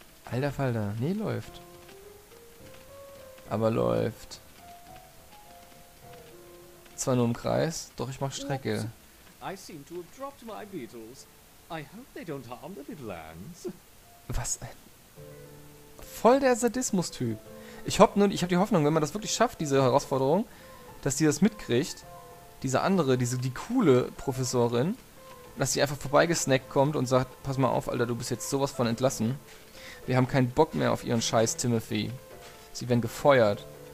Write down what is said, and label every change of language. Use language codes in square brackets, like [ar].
[de] Alter Falter. Nee, läuft. Aber läuft. Zwar nur im Kreis, doch ich mach Strecke. [en] I seem to have dropped my beetles. I hope they don't harm the little ants. [de] Was ein... Voll der Sadismus-Typ. Ich hab die Hoffnung, wenn man das wirklich schafft, diese Herausforderung, dass die das mitkriegt, die coole Professorin, dass sie einfach vorbeigesnackt kommt und sagt, pass mal auf, Alter, du bist jetzt sowas von entlassen. Wir haben keinen Bock mehr auf ihren scheiß Timothy. Sie werden gefeuert.